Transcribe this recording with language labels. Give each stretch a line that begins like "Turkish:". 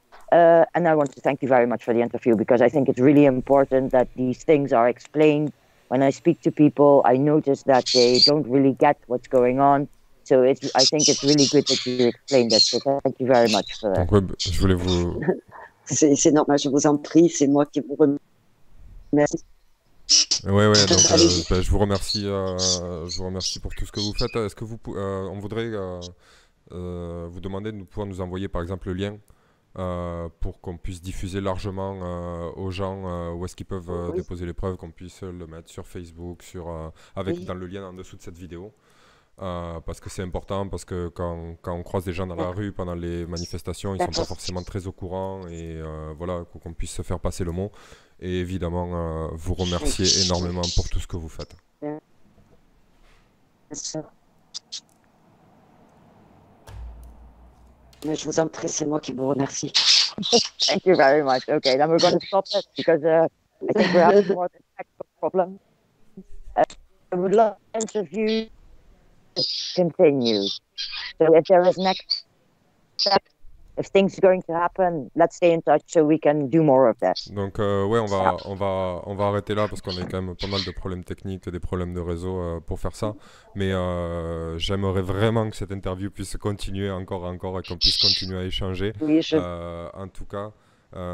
English: And I want to thank you very much for the interview, because I think it's really important that these things are explained. When I speak to people, I notice that they don't really get what's going on. So I think it's really good that you explained that. So thank you very much for that.
French: Je voulais vous... c'est normal, je vous en prie, c'est moi qui vous remercie. Oui, oui, donc je vous remercie pour tout ce que vous faites. Est-ce que vous on voudrait vous demander de pouvoir nous envoyer par exemple le lien pour qu'on puisse diffuser largement aux gens où est-ce qu'ils peuvent oui. déposer les preuves, qu'on puisse le mettre sur Facebook, oui. dans le lien en dessous de cette vidéo. Parce que c'est important, parce que quand on croise des gens dans la rue pendant les manifestations, ils ne sont pas forcément très au courant, et voilà, qu'on puisse se faire passer le mot. Et évidemment, vous remercier énormément pour tout ce que vous faites. Mais je vous en prie, c'est moi qui vous remercie.
English: Thank you very much. Okay, then we're going to stop it because I think we have more technical problems. I would love to interview continue. So if there is next step, If things are going to happen, let's stay in touch so we can do more of this.
French: Donc ouais, on va arrêter là parce qu'on a eu quand même pas mal de problèmes techniques et des problèmes de réseau pour faire ça. Mais j'aimerais vraiment que cette interview puisse continuer encore et encore et qu'on puisse continuer à échanger. Oui, je En tout cas, si